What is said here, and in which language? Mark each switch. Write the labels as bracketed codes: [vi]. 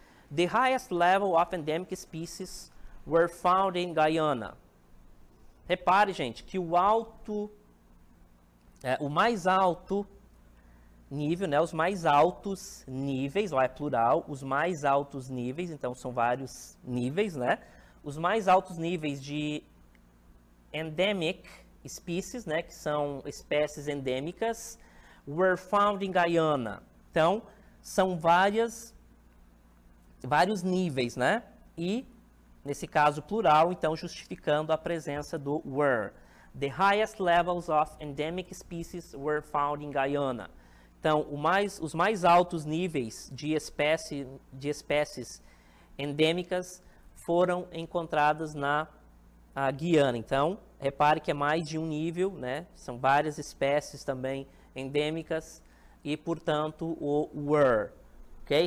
[en] The highest level of endemic species were found in Guyana. [pt] Repare, gente, que os mais altos níveis, então são vários níveis, né? Os mais altos níveis de endemic species, né, que são espécies endêmicas, [en] were found in Guyana. [pt] Então, são vários níveis, né? E, nesse caso, plural, então, justificando a presença do were. [en] The highest levels of endemic species were found in Guyana. [pt] Então, os mais altos níveis de espécies endêmicas foram encontradas na Guiana. Então, repare que é mais de um nível, né? São várias espécies também endêmicas e, portanto, o were. Ok?